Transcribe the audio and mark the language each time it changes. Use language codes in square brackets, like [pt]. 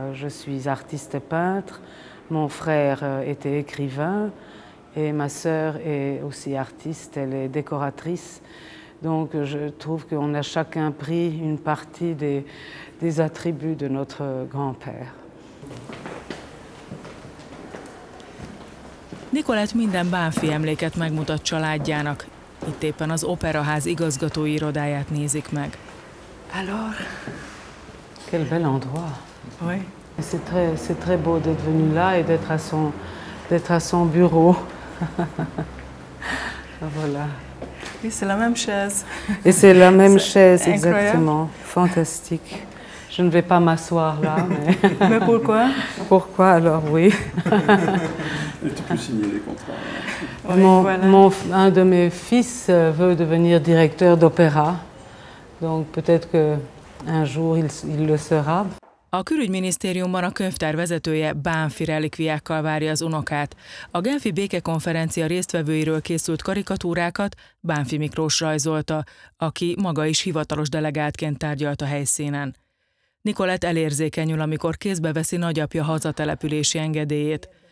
[fr] Je suis artiste peintre, mon frère était écrivain. Et ma sœur est aussi artiste, elle est décoratrice. Donc je trouve qu'on a chacun pris une partie des attributs de notre grand-père. [hu] Nicolette minden Banffy emléket megmutat családjának. Itt éppen az operaház igazgató irodáját nézik meg. [fr] Alors, quel bel endroit. Oui. C'est très beau d'être venu là et d'être à son bureau. Voilà. Et c'est la même chaise. Et c'est la même chaise, incroyable. Exactement. Fantastique. Je ne vais pas m'asseoir là. Mais pourquoi? Pourquoi alors, oui. Et tu peux signer les contrats. Oui, un de mes fils veut devenir directeur d'opéra. Donc peut-être qu'un jour il le sera. [hu] A külügyminisztériumban a könyvtár vezetője Banffy relikviákkal várja az unokát. A genfi békekonferencia résztvevőiről készült karikatúrákat Banffy Miklós rajzolta, aki maga is hivatalos delegátként tárgyalt a helyszínen. Nicolette elérzékenyül, amikor kézbe veszi nagyapja hazatelepülési engedélyét.